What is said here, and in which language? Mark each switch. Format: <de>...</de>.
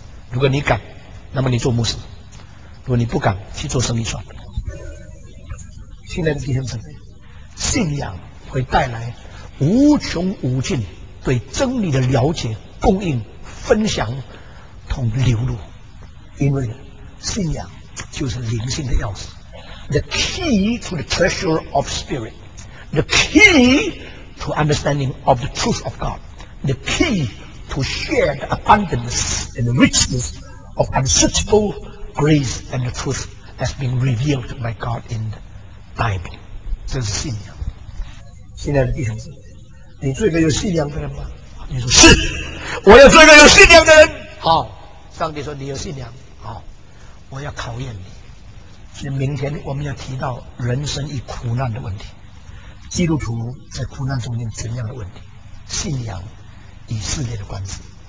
<zh>如果你敢，那么你做牧师；如果你不敢，去做生意算了。亲爱的弟兄姊妹，信仰会带来无穷无尽对真理的了解、供应、分享同流露，因为信仰就是灵性的钥匙。</zh> <en>The key to the treasure of spirit, The key to understanding of the truth of God, The key to share the abundance and the richness of unsearchable grace and the truth that's been revealed by God in the Bible.</en> <zh>这是信仰。亲爱的弟兄姊妹，你做一个有信仰的人吗？你说是，我要做一个有信仰的人。好，上帝说你有信仰，好，我要考验你。所以明天我们要提到人生与苦难的问题，基督徒在苦难中间怎样的问题，信仰与世界的关系。</zh>